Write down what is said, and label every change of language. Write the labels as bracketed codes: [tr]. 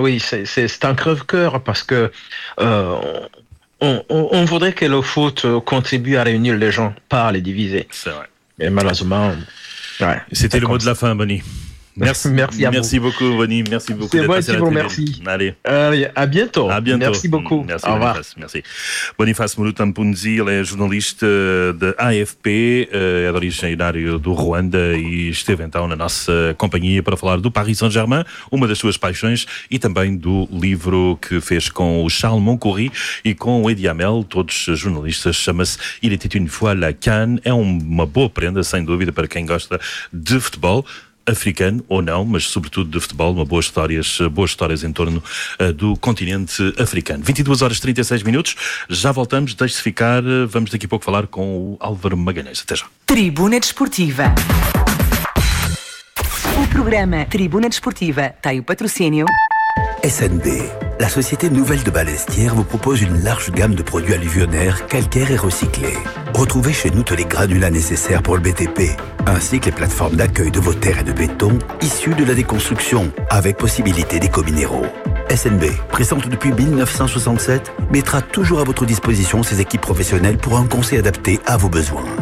[fr] Oui, c'est un crève-cœur parce que on voudrait que le foot contribue à réunir les gens, pas à les diviser. C'est vrai. Et malheureusement. Ouais, c'était le mot de la fin, Bonny. Merci, merci beaucoup, Bonny. Merci beaucoup d'être passé à la télé. C'est moi qui vous remercie. Allez. À bientôt. À bientôt. Merci beaucoup. Merci, au revoir. Merci. [pt] Boniface Moutampounzi, [fr] le journaliste de AFP, [pt] é originário do Ruanda e esteve então na nossa companhia para falar do Paris Saint-Germain, uma das suas paixões, e também do livro que fez com o Charles Moncoury e com o Eddy Hamel, todos jornalistas. Chama-se Il était une fois la Cannes. É uma boa prenda, sem dúvida, para quem gosta de futebol africano ou não, mas sobretudo de futebol, boas histórias em torno do continente africano. 22:36, já voltamos, deixe-se ficar, vamos daqui a pouco falar com o Álvaro Magalhães. Até já. Tribuna Desportiva. O programa Tribuna Desportiva tem o patrocínio SND. [fr] La société nouvelle de Balestière vous propose une large gamme de produits alluvionnaires, calcaires et recyclés. Retrouvez chez nous tous les granulats nécessaires pour le BTP, ainsi que les plateformes d'accueil de vos terres et de béton issues de la déconstruction, avec possibilité d'éco-minéraux. SNB, présente depuis 1967, mettra toujours à votre disposition ses équipes professionnelles pour un conseil adapté à vos besoins.